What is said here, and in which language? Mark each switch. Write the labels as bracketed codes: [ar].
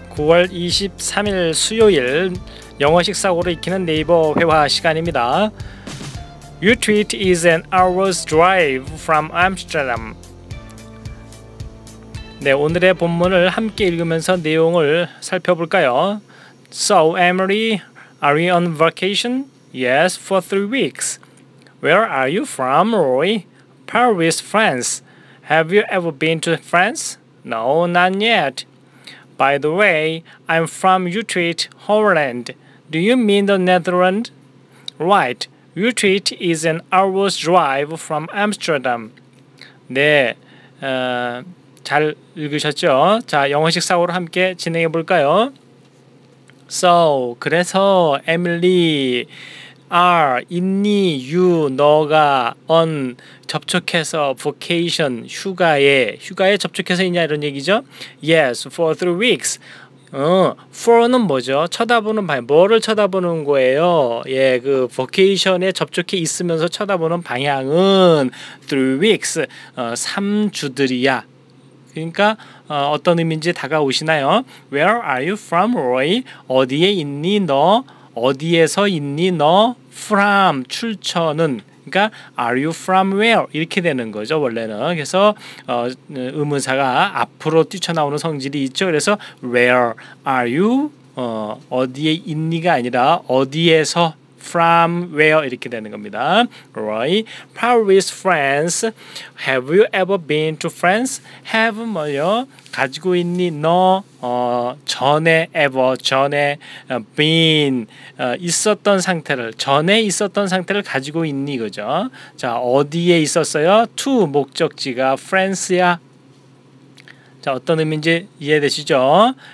[ko] 9월 23일 수요일 영어 식사고로 익히는 네이버 회화 시간입니다. [en] Utrecht is an hour's drive from Amsterdam. [ko] 네, 오늘의 본문을 함께 읽으면서 내용을 살펴볼까요? [en] So, Emily, are you on vacation? Yes, for 3 weeks. Where are you from, Roy? Paris, France. Have you ever been to France? No, not yet. By the way, I'm from Utrecht, Holland. Do you mean the Netherlands? Right. Utrecht is an hour's drive from Amsterdam. [ko] 네, 잘 읽으셨죠? 자, 영어식 사고로 함께 진행해 볼까요? So, 그래서 Emily, are, 있니, you, 너가, on, 접촉해서, vacation, 휴가에 접촉해서 있냐 이런 얘기죠? [en] Yes, for 3 weeks. [ko] For는 뭐죠? 쳐다보는 방향, 뭐를 쳐다보는 거예요? 예, 그 vacation에 접촉해 있으면서 쳐다보는 방향은 3 weeks, 3주들이야. 그러니까 어떤 의미인지 다가오시나요? [en] Where are you from, Roy? [ko] 어디에 있니 너? 어디에서 있니 너? From, 출처는. [en] 그러니까 are you from where? [ko] 이렇게 되는 거죠, 원래는. 그래서 의문사가 앞으로 뛰쳐나오는 성질이 있죠. [en] 그래서 where are you? [ko] 어디에 있니가 아니라 어디에서 from where 이렇게 되는 겁니다. [en] Roy, Paris, France. Have you ever been to France? [ko] Have 뭐요? 가지고 있니 너? 전에 ever 전에 been 있었던 상태를 전에 있었던 상태를 가지고 있니 그죠? 자 어디에 있었어요? To 목적지가 France야. 자 어떤 의미인지 이해되시죠?